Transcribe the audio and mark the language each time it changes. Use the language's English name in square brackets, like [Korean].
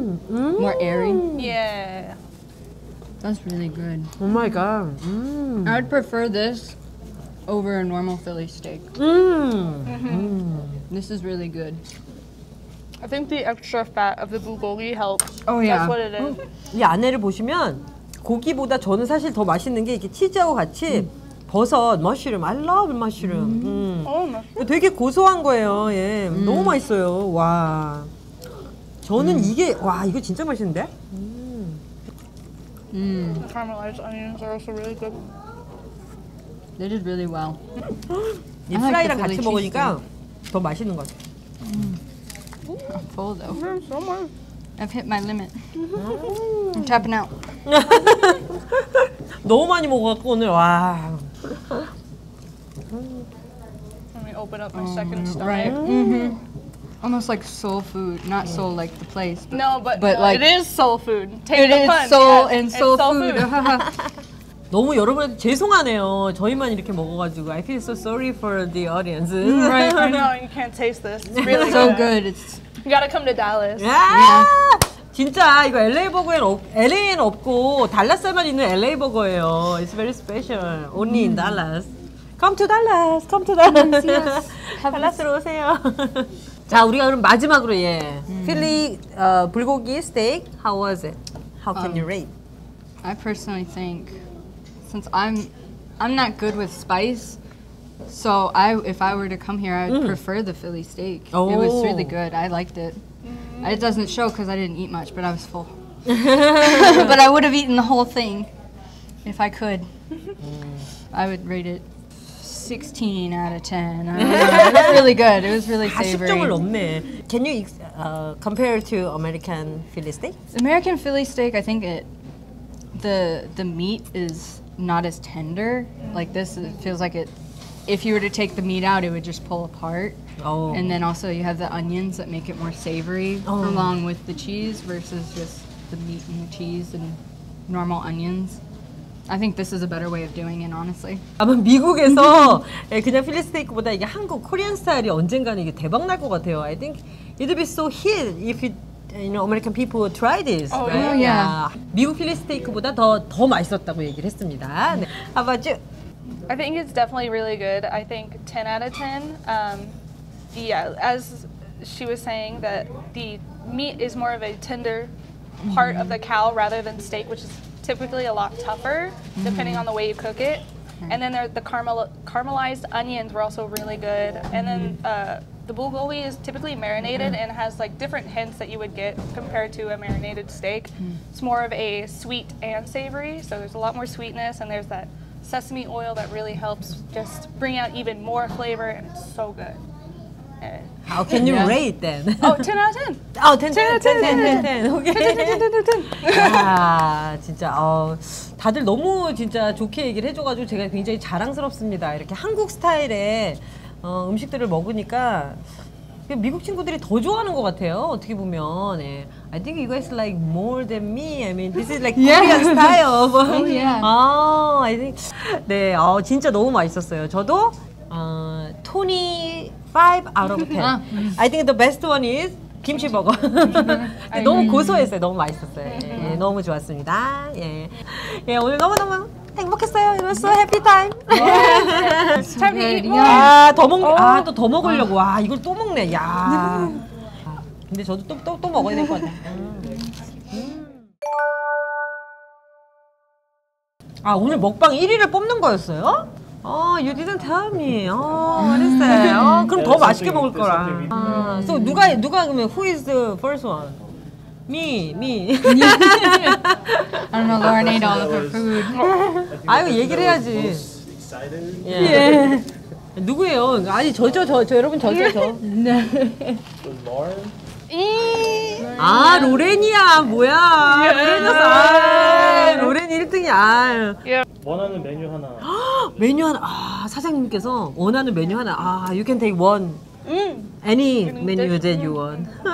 [English] More airy. Yeah. That's really good. Oh my god. I'd prefer this over a normal Philly steak. This is really good. I think the extra fat of the bulgogi helps. Oh That's yeah. That's what it is. [Korean] 이 안에를 보시면 고기보다 저는 사실 더 맛있는 게 이렇게 치즈하고 같이 버섯, mushroom. [English] I love mushroom. Mushroom. [Korean] 되게 고소한 거예요. 예. 너무 맛있어요. 와. 저는 이게 와, 이거 진짜 맛있는데? [English] The caramelized onions are also really good. They did really well. [Korean] 이 프라이랑 같이 먹으니까 더 맛있는 것 같아. [English] I'm full though. So much. I've hit my limit. I'm tapping out. [Korean] 너무 많이 먹었고 오늘 와. [English] Let me open up my second stomach. Right. Almost like soul food, not soul like the place. But, no, but like it is soul food. Take it the pun. It is soul and soul food. [Korean] 너무 여러분한테 죄송하네요. 저희만 이렇게 먹어가지고 [English] I feel so sorry for the audience. Right. I know you can't taste this. It's really so good. It's... You gotta come to Dallas. Yeah. Yeah. [Korean] 진짜 이거 LA 버거엔 LA엔 없고 달라스에만 있는 LA 버거예요. [English] It's very special. Only in Dallas. Come to Dallas. Come to Dallas. Yes. [Korean] Dallas로 오세요. 자, 우리가 그럼 마지막으로 예. [English] Philly 불고기 steak. How was it? How can you rate? I personally think since I'm not good with spice, so if I were to come here, I'd prefer the Philly steak. Oh. It was really good. I liked it. It doesn't show because I didn't eat much, but I was full. But I would have eaten the whole thing if I could. I would rate it 16 out of 10. It was really good. It was really savory. [Korean] 40점을 넘네. [English] Can you compare to American Philly steak? American Philly steak, I think the meat is not as tender. Like this, it feels like it. If you were to take the meat out, it would just pull apart. Oh. And then also you have the onions that make it more savory along with the cheese versus just the meat and the cheese and normal onions. I think this is a better way of doing it, honestly. [Korean] 아마 미국에서 그냥 필리 스테이크보다 이게 한국 코리안 스타일이 언젠가는 이게 대박 날 것 같아요. [English] I think it'd be so hit if it, you know, American people would try this. Oh, right? Yeah. Yeah. [Korean] 미국 필리 스테이크보다 더 맛있었다고 얘기를 했습니다. [English] 네. How about you? I think it's definitely really good. I think 10 out of 10. Yeah, as she was saying, that the meat is more of a tender part of the cow rather than steak, which is typically a lot tougher, depending on the way you cook it. And then there, the caramelized onions were also really good. And then the bulgogi is typically marinated and has like different hints that you would get compared to a marinated steak. It's more of a sweet and savory, so there's a lot more sweetness, and there's that sesame oil that really helps just bring out even more flavor, and it's so good. How can you rate then? Oh, 10 out of 10. Oh, 10. Okay. 10. [Korean] 아, 진짜 다들 너무 진짜 좋게 얘기를 해줘 가지고 제가 굉장히 자랑스럽습니다. 이렇게 한국 스타일의 음식들을 먹으니까 미국 친구들이 더 좋아하는 것 같아요. 어떻게 보면 예. [English] I think you guys like more than me. I mean, this is like Korean style. Oh, yeah. I think [Korean] 네. 진짜 너무 맛있었어요. [English] 저도 토니 5 out of 10. I think the best one is 김치버거. [Korean] 너무 고소했어요. 너무 맛있었어요. 예, 너무 좋았습니다. 예. 예, 오늘 너무너무 행복했어요. [English] It was so happy time. It's time to eat more. [Korean] 아, 더 먹네. 아, 또 더 먹으려고. 와, 이걸 또 먹네. 야. 근데 저도 또 먹어야 될 것 같아요. 아, 오늘 먹방 1위를 뽑는 거였어요? [English] You didn't tell me. Oh, what is that? [Korean] 그럼 더 맛있게 먹을 거라. [English] So [Korean] 누가 그러면 [English] who is the first one? Me. I don't know. Lauren ate all of her food. [Korean] 아유, 얘기를 해야지. [English] Yeah. [Korean] Yeah. 누구예요? 아니 저 여러분 저. 네. Lauren. 아, 로렌이야. 뭐야? 로렌이야. 로렌 1등이야. 원하는 메뉴 하나. 메뉴 하나. 아, 사장님께서 원하는 메뉴 하나. [English] 아, you can take one. Any menu that you want.